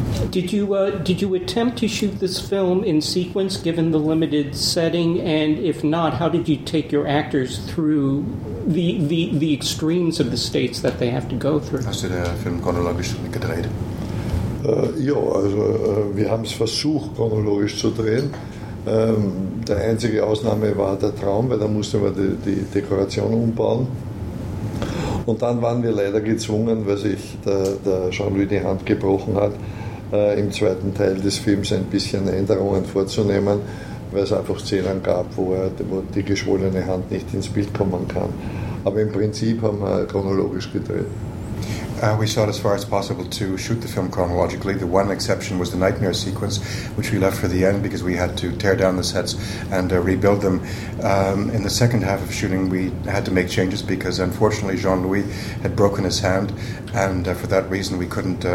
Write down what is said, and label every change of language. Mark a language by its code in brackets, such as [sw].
[en] Did you attempt to shoot this film in sequence, given the limited setting? And if not, how did you take your actors through the extremes of the states that they have to go through? [de] Hast du den Film chronologisch gedreht? Ja, also wir haben es versucht, chronologisch zu drehen. Der einzige Ausnahme war der Traum, weil da mussten wir die Dekoration umbauen. Und dann waren wir leider gezwungen, weil sich der Jean-Louis die Hand gebrochen hat, im zweiten Teil des Films ein bisschen Änderungen vorzunehmen, weil es einfach Szenen gab, wo die geschwollene Hand nicht ins Bild kommen kann. Aber im Prinzip haben wir chronologisch gedreht. [en] We sought as far as possible to shoot the film chronologically. The one exception was the nightmare sequence, which we left for the end because we had to tear down the sets and rebuild them. In the second half of shooting, we had to make changes because, unfortunately, Jean-Louis had broken his hand, and for that reason, we couldn't.